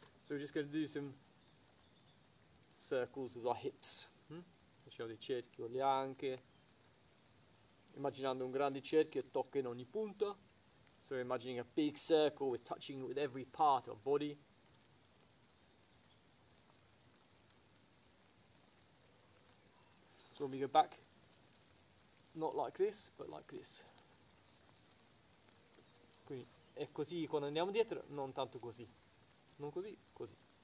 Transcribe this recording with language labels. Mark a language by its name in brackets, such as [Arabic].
[English] So we're just going to do some circles with our hips. [Italian] Facciamo dei cerchi con le anche, immaginando un grande cerchio e tocco in ogni punto. [English] So we're imagining a big circle, we're touching with every part of our body. So So when we go back, not like this, but like this. [Italian] Quindi è così quando andiamo dietro, non tanto così. Non così, così.